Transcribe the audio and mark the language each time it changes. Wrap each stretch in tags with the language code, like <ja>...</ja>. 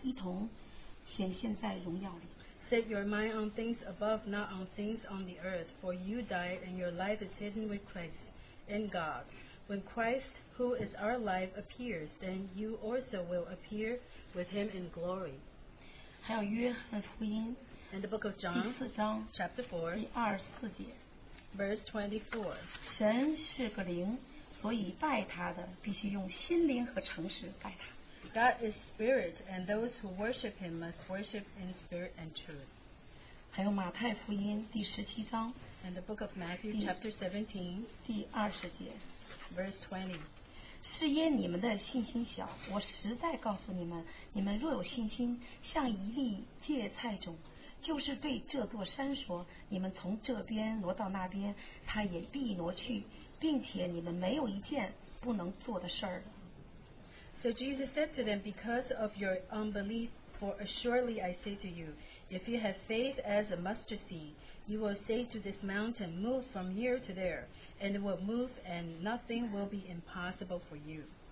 <zh>你们要思念上面的事，不要思念地上的事，因为你们已经死了，你们的生命与基督一同葬在神里面。基督是我们的生命，他显现的时候，你们也要与他一同显现在荣耀里。</zh> <en>Set your mind on things above, not on things on the earth, for you died and your life is hidden with Christ in God. When Christ, who is our life, appears, then you also will appear with Him in glory.</en> <zh>还有约翰福音,</zh> <en>and the book of John,</en> <zh>第四章,</zh> <en>chapter 4,</en> <zh>第二十四节,</zh> <en>verse 24.</en> <zh>神是个灵, 所以拜他的, 必须用心灵和诚实拜他。</zh> <en>God is spirit, and those who worship him must worship in spirit and truth.</en> <zh>还有马太福音, 第十七章,</zh> <en>and the book of Matthew,</en> <zh>第,</zh> <en>chapter 17,</en> <zh>第二十节,</zh> <en>verse 20.</en> <zh>是因你们的信心小，我实在告诉你们，你们若有信心，像一粒芥菜种，就是对这座山说，你们从这边挪到那边，它也必挪去，并且你们没有一件不能做的事儿。</zh> <en>So Jesus said to them, because of your unbelief, For assuredly I say to you, if you have faith as a mustard seed, you will say to this mountain, move from here to there, and it will move, and nothing will be impossible for you.</en>